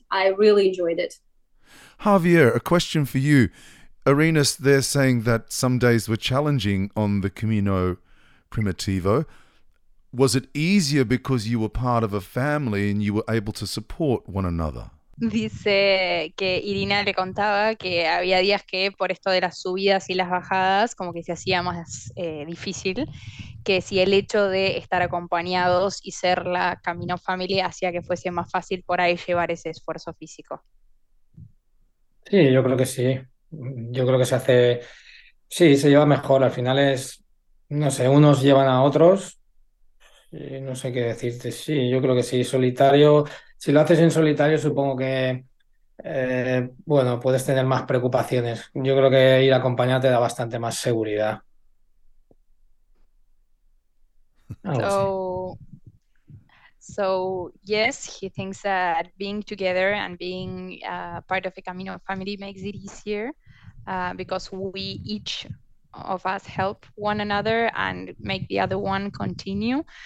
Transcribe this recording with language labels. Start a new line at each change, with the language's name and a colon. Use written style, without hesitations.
English: I really enjoyed it. Javier, a question for you. Arenas, they're saying that some days were challenging on the Camino Primitivo. Was it easier because you were part of a family and you were able to support one another?
Spanish: Dice que Irina le contaba que había días que por esto de las subidas y las bajadas como que se hacía más difícil, que si el hecho de estar acompañados y ser la Camino Family hacía que fuese más fácil por ahí llevar ese esfuerzo físico. Sí, yo creo que sí. Yo creo que se hace, sí, se lleva mejor. Al final es, no sé, unos llevan a otros. No sé qué decirte, sí, yo creo que sí, solitario, si lo haces en solitario supongo que, bueno, puedes tener más preocupaciones. Yo creo que ir acompañado te da bastante más seguridad.
English: So yes, he thinks that being together and being part of a Camino family makes it easier because we each of us help one another and make the other one continue.